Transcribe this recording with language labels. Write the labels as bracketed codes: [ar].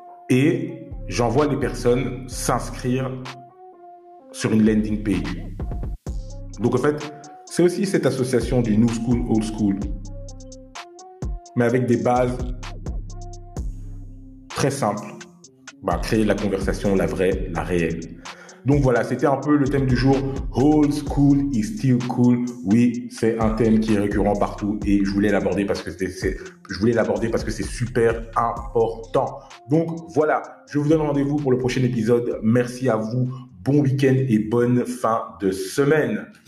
[fr] Et j'envoie les personnes s'inscrire sur une landing page. Donc en fait, c'est aussi cette association du new school, old school, mais avec des bases très simples. Bah, créer la conversation, la vraie, la réelle. Donc voilà, c'était un peu le thème du jour. [en] Old school is still cool. [fr] Oui, c'est un thème qui est récurrent partout et je voulais l'aborder parce que c'est super important. Donc voilà, je vous donne rendez-vous pour le prochain épisode. Merci à vous. Bon week-end et bonne fin de semaine.